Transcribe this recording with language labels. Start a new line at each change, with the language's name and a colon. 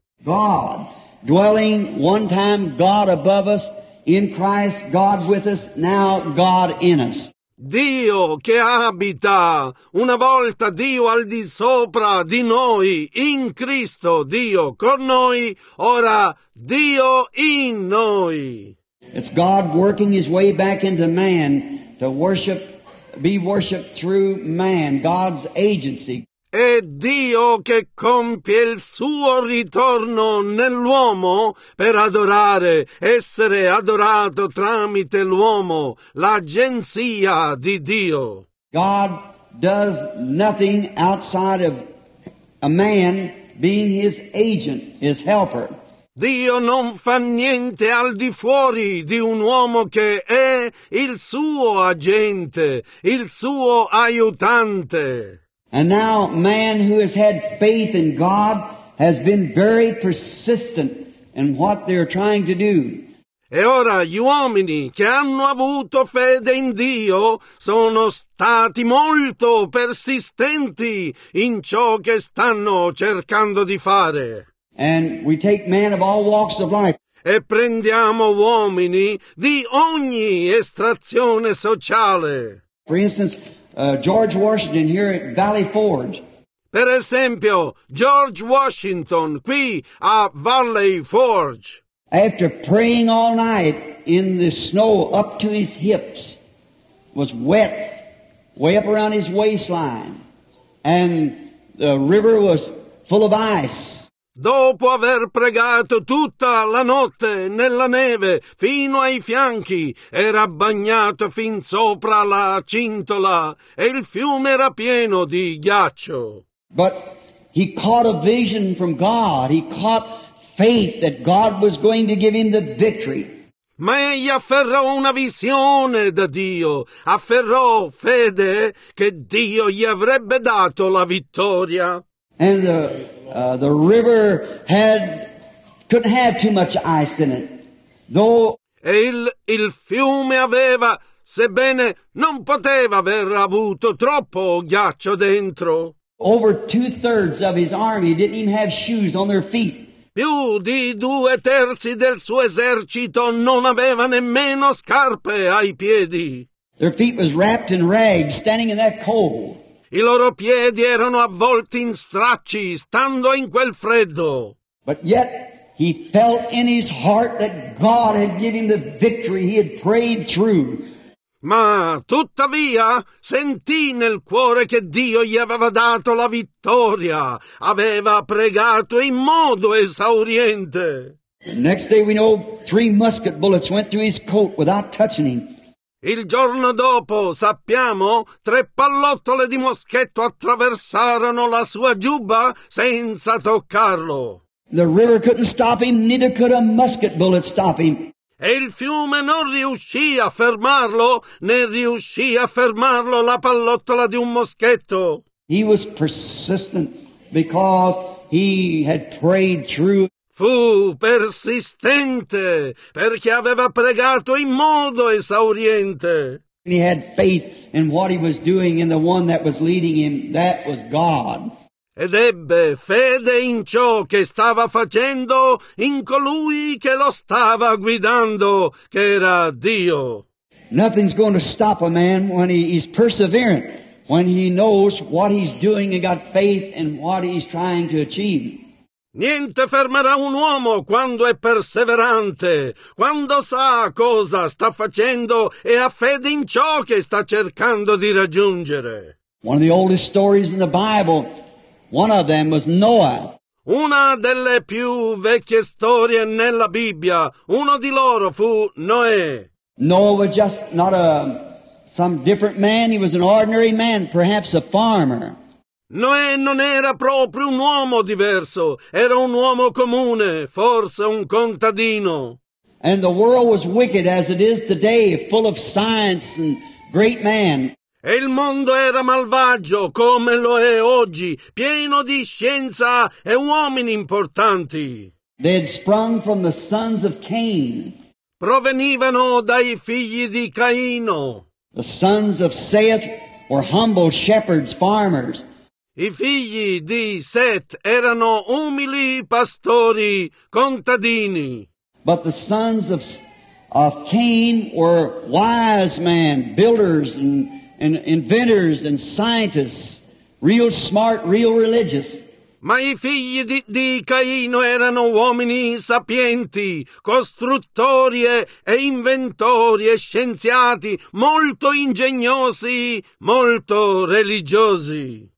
English: God dwelling one time God above us in Christ, God with us, now God in us.
Italian: Dio che abita una volta Dio al di sopra di noi in Cristo, Dio con noi, ora Dio in noi.
English: It's God working his way back into man to worship, be worshiped through man, God's agency.
Italian: È Dio che compie il suo ritorno nell'uomo per adorare, essere adorato tramite l'uomo, l'agenzia di Dio.
English: God does nothing outside of a man being his agent, his helper.
Italian: Dio non fa niente al di fuori di un uomo che è il suo agente, il suo aiutante.
English: And now man who has had faith in God has been very persistent in what they're trying to do.
Italian: E ora gli uomini che hanno avuto fede in Dio sono stati molto persistenti in ciò che stanno cercando di fare.
English: And we take man of all walks of life.
Italian: E prendiamo uomini di ogni estrazione sociale.
English: For instance, George Washington here at Valley Forge.
Italian: Per esempio, George Washington qui a Valley Forge.
English: After praying all night in the snow up to his hips, was wet way up around his waistline, and the river was full of ice.
Italian: Dopo aver pregato tutta la notte nella neve fino ai fianchi, era bagnato fin sopra la cintola e il fiume era pieno di ghiaccio.
English: But he caught a vision from God. He caught faith that God was going to give him the victory.
Italian: Ma egli afferrò una visione da Dio. Afferrò fede che Dio gli avrebbe dato la vittoria.
English: And the river couldn't have too much ice in it, though.
Italian: E il fiume aveva, sebbene non poteva aver avuto troppo ghiaccio dentro.
English: Over 2/3 of his army didn't even have shoes on their feet.
Italian: Più di 2/3 del suo esercito non aveva nemmeno scarpe ai piedi.
English: Their feet was wrapped in rags, standing in that cold.
Italian: I loro piedi erano avvolti in stracci, stando in quel freddo.
English: But yet he felt in his heart that God had given the victory he had prayed through.
Italian: Ma tuttavia sentì nel cuore che Dio gli aveva dato la vittoria, aveva pregato in modo esauriente.
English: The next day we know 3 musket bullets went through his coat without touching him.
Italian: Il giorno dopo, sappiamo, 3 pallottole di moschetto attraversarono la sua giubba senza toccarlo.
English: The river couldn't stop him, neither could a musket bullet stop him.
Italian: E il fiume non riuscì a fermarlo, né riuscì a fermarlo la pallottola di un moschetto.
English: He was persistent because he had prayed through.
Italian: Fu persistente perché aveva pregato in modo esauriente.
English: He had faith in what he was doing, in the one that was leading him, that was God.
Italian: Ed ebbe fede in ciò che stava facendo, in colui che lo stava guidando, che era Dio.
English: Nothing's going to stop a man when he's perseverant, when he knows what he's doing and got faith in what he's trying to achieve.
Italian: Niente fermerà un uomo quando è perseverante, quando sa cosa sta facendo e ha fede in ciò che sta cercando di raggiungere.
English: One of the oldest stories in the Bible, one of them was Noah.
Italian: Una delle più vecchie storie nella Bibbia, uno di loro fu Noè.
English: Noah was just not some different man, he was an ordinary man, perhaps a farmer.
Italian: Noè non era proprio un uomo diverso, era un uomo comune, forse un contadino.
English: And the world was wicked as it is today, full of science and great man.
Italian: E il mondo era malvagio come lo è oggi, pieno di scienza e uomini importanti.
English: They had sprung from the sons of Cain.
Italian: Provenivano dai figli di Caino.
English: The sons of Seth were humble shepherds, farmers.
Italian: I figli di Seth erano umili pastori, contadini.
English: But the sons of Cain were wise men, builders and inventors and scientists, real smart, real religious.
Italian: Ma i figli di Caino erano uomini sapienti, costruttori e inventori e scienziati, molto ingegnosi, molto religiosi.